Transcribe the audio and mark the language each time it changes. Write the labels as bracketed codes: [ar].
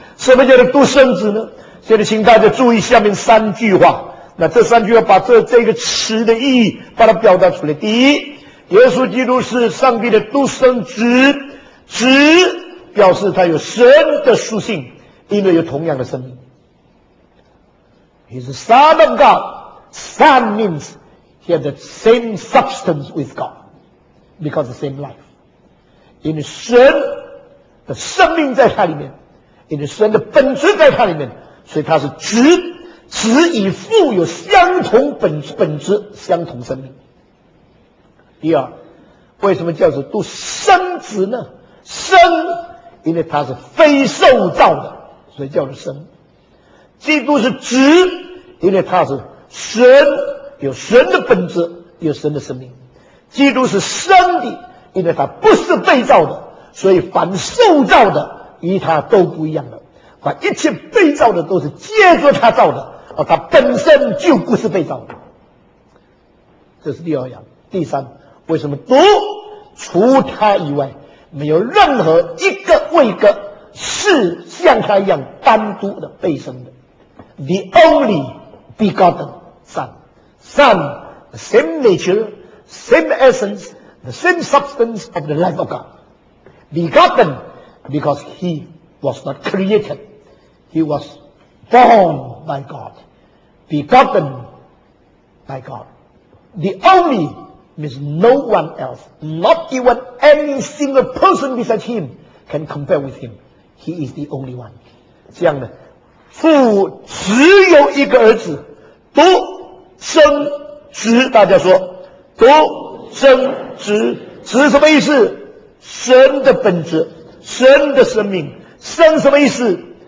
[zh] 什么叫做独生子呢？现在请大家注意下面三句话，那这三句话把这个词的意义把它表达出来。第一，耶稣基督是上帝的独生子，子表示他有神的属性，因为有同样的生命。 [en] He is the Son of God. Son means he has the same substance with God because the same life. [zh] 因为神的生命在他里面，因为神的本质在他里面，所以他是子，子与父有相同本质，相同生命。第二，为什么叫做读生子呢？生，因为他是非受造的，所以叫做生。基督是子，因为他是神，有神的本质，有神的生命。基督是生的，因为他不是被造的，所以凡受造的与他都不一样的。凡一切被造的都是借着他造的，而他本身就不是被造的。这是第二样。第三，为什么读除他以外没有任何一个位格是像他一样单独的被生的？ [en] The only begotten Son， Son the same nature same essence the same substance of the life of God， begotten because he was not created， he was born by God， begotten by God。 The onlyMeans no one else, not even any single person besides him can compare with him. He is the only one. [zh] 这样的父只有一个儿子，独生子。大家说独生子，子什么意思？神的本质，神的生命。生什么意思？